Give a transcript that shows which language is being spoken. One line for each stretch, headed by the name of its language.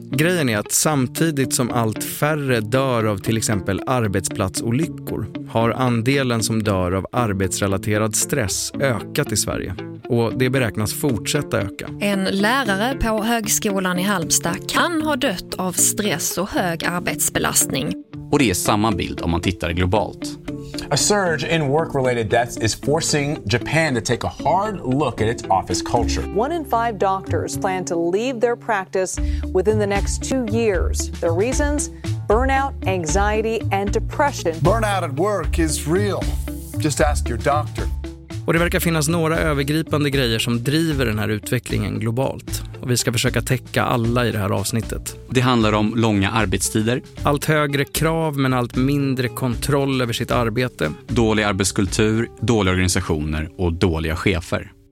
Swedish: Grejen är att samtidigt som allt färre dör av till exempel arbetsplatsolyckor har andelen som dör av arbetsrelaterad stress ökat i Sverige. Och det beräknas fortsätta öka. En lärare på högskolan i Halmstad kan ha dött av stress och hög arbetsbelastning. Och det är samma bild om man tittar globalt.
English: A surge in work-related deaths is forcing Japan to take a hard look at its office culture. One in five doctors plan to leave their practice within the next 2 years. The reasons? Burnout, anxiety and depression. Burnout at work is real. Just ask your doctor.
Swedish: Och det verkar finnas några övergripande grejer som driver den här utvecklingen globalt. Och vi ska försöka täcka alla i det här avsnittet. Det handlar om långa arbetstider. Allt högre krav men allt mindre kontroll över sitt arbete. Dålig arbetskultur, dåliga organisationer och dåliga chefer.